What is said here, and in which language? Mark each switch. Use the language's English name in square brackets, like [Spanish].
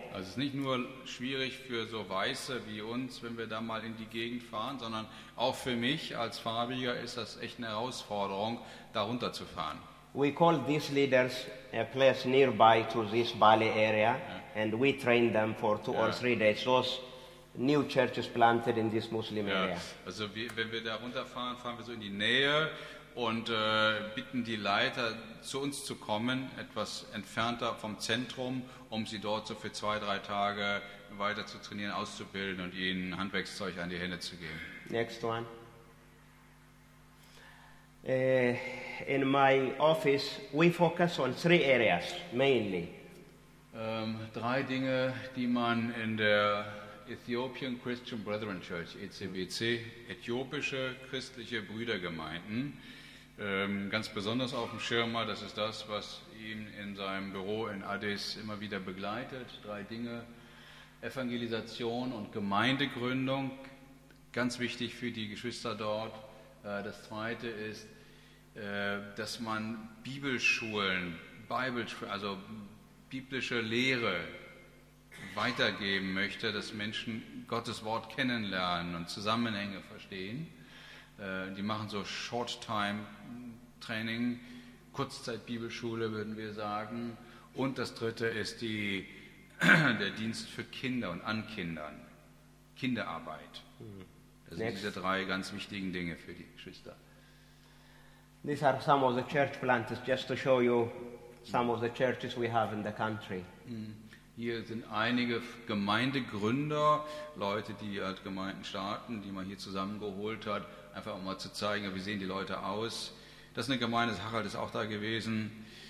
[German] Also es ist nicht nur schwierig für so Weiße wie uns, wenn wir da mal in die Gegend fahren, sondern auch für mich als Farbiger ist das echt eine Herausforderung, da runterzufahren. [English] We call these leaders a place nearby to this Bali area, and we train them for two or three days. Those new churches planted in this Muslim area. [German] Ja, also wenn wir da runterfahren, fahren wir so in die Nähe und bitten die Leiter, zu uns zu kommen, etwas entfernter vom Zentrum, um sie dort so für zwei, drei Tage weiter zu trainieren, auszubilden und ihnen Handwerkszeug an die Hände zu geben. [English] Next one. In my office, we focus on three areas, mainly. [German] Drei Dinge, die man in der Ethiopian Christian Brethren Church, ECBC, äthiopische christliche Brüdergemeinden, ganz besonders auf dem Schirm, das ist das, was ihn in seinem Büro in Addis immer wieder begleitet. Drei Dinge, Evangelisation und Gemeindegründung, ganz wichtig für die Geschwister dort. Das zweite ist, dass man Bibelschulen, also biblische Lehre weitergeben möchte, dass Menschen Gottes Wort kennenlernen und Zusammenhänge verstehen. Die machen so Short-Time-Training, Kurzzeit-Bibelschule, würden wir sagen. Und das dritte ist der Dienst für Kinder und an Kindern, Kinderarbeit. Das sind diese drei ganz wichtigen Dinge für die Geschwister. [English] These are some of the church plants, just to show you some of the churches we have in the country. [German] Hier sind einige Gemeindegründer, Leute, die halt Gemeinden starten, die man hier zusammengeholt hat, einfach um mal zu zeigen, wie sehen die Leute aus. Das ist eine Gemeinde, Harald ist auch da gewesen.